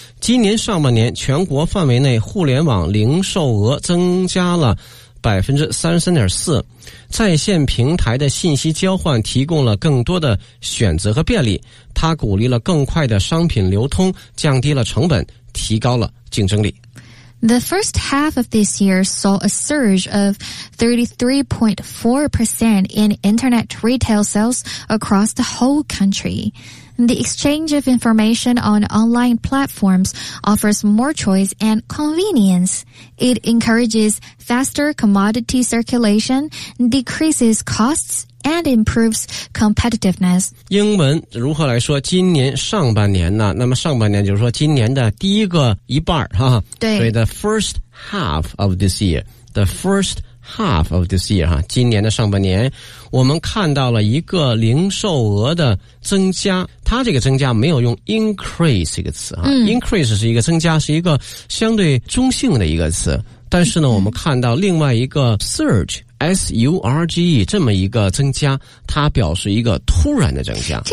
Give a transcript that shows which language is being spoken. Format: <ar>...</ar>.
<zh>今年上半年全国范围内互联网零售额增加了 33.4%， 在线平台的信息交换提供了更多的选择和便利，它鼓励了更快的商品流通，降低了成本，提高了竞争力。</zh> <en>The first half of this year saw a surge of 33.4% in internet retail sales across the whole country. The exchange of information on online platforms offers more choice and convenience. It encourages faster commodity circulation, decreases costs, and improves competitiveness.</en> <zh>英文如何来说今年上半年呢？那么上半年就是说今年的第一个一半哈。对。所以</zh> <en>the first half of this year,</en> <zh>the first half of this year, 哈，今年的上半年我们看到了一个零售额的增加，它这个增加没有用 increase 这个词哈、increase 是一个增加，是一个相对中性的一个词，但是呢我们看到另外一个 surge,S-U-R-G-E 这么一个增加，它表示一个突然的增加，</zh>